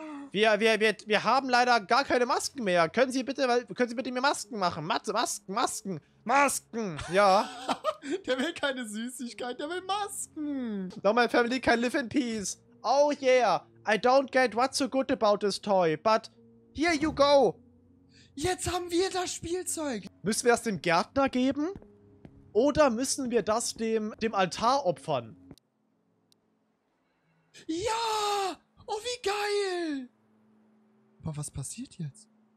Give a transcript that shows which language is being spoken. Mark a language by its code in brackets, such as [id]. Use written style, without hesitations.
[de] Wir haben leider gar keine Masken mehr. Können Sie bitte mir Masken machen? Masken, ja. Der will keine Süßigkeit, der will Masken. [en] No, my family can live in peace. Oh yeah, I don't get what's so good about this toy, but here you go. [de] Jetzt haben wir das Spielzeug. Müssen wir das dem Gärtner geben? Oder müssen wir das dem Altar opfern? Ja, oh wie geil. Aber was passiert jetzt?